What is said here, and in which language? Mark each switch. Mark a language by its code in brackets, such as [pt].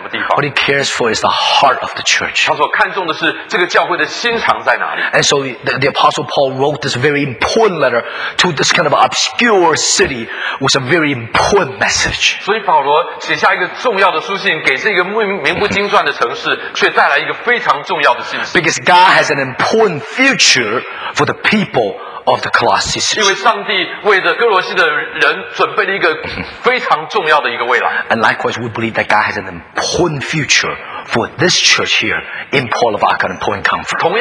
[en] What he cares for is the heart of the church. And so the Apostle Paul wrote this very important letter to this kind of obscure city with a very important message. [zh] 所以保罗写下一个重要的书信给这个名不经传的城市，却带来一个非常重要的信息。 [en] Because God has an important future for the people of the Colossians. [zh] 因为上帝为着哥罗西的人准备了一个非常重要的一个未来。 [en] And likewise, we believe that God has an important future for this church here in Port of Akron and Point Comfort.